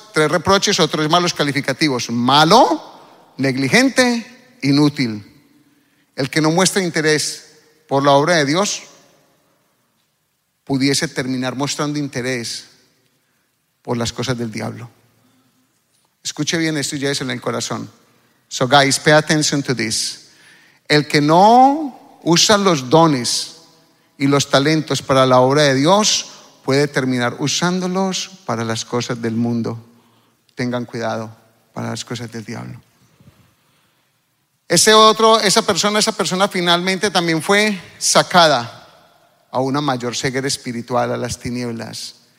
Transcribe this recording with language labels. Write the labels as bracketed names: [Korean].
[Spanish] Tres reproches o tres malos calificativos: malo, negligente, inútil. El que no muestra interés por la obra de Dios pudiese terminar mostrando interés por las cosas del diablo. Escuche bien esto y lléveselo en el corazón. [English] So guys, pay attention to this. [Spanish] El que no usa los dones y los talentos para la obra de Dios puede terminar usándolos para las cosas del mundo. Tengan cuidado, para las cosas del diablo. Esa persona finalmente también fue sacada a una mayor ceguera espiritual, a las tinieblas.